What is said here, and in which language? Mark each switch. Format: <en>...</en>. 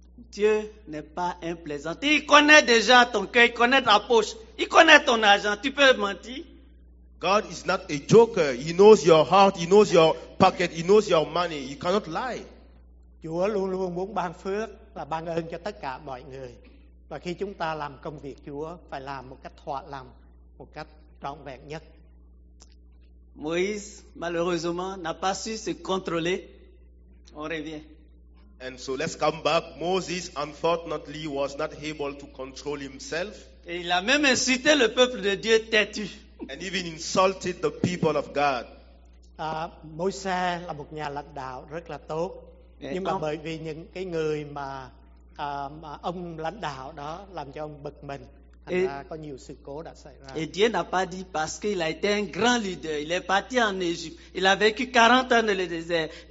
<fr>Dieu n'est pas un plaisantin. Il connaît déjà ton cœur, il connaît ta poche, il connaît ton argent. Tu peux mentir?</fr> <en>God is not a joker. He knows your heart, he knows your pocket, he knows your money. You cannot lie.</en> <vi>Chúa luôn luôn muốn ban phước là ban ơn cho tất cả mọi người. Và khi chúng ta làm công việc Chúa, phải làm một cách thỏa lòng, một cách trọn vẹn nhất.</vi> <fr>Moïse, malheureusement, n'a pas su se contrôler. On revient.</fr> <en>And so let's come back. Moses, unfortunately, was not able to control himself.</en> <fr>Et il a même insulté le peuple de Dieu têtu.</fr> <en>And even insulted the people of God.</en> <vi>Moïse là một nhà lãnh đạo rất là tốt. Yeah, nhưng mà bởi vì những cái người mà ông lãnh đạo đó làm cho ông bực mình. Et, là có nhiều sự cố đã xảy ra.</vi> <fr>Et Dieu n'a pas dit parce qu'il a été un grand leader. Il est parti en Égypte. Il a vécu 40 ans dans le désert.</fr>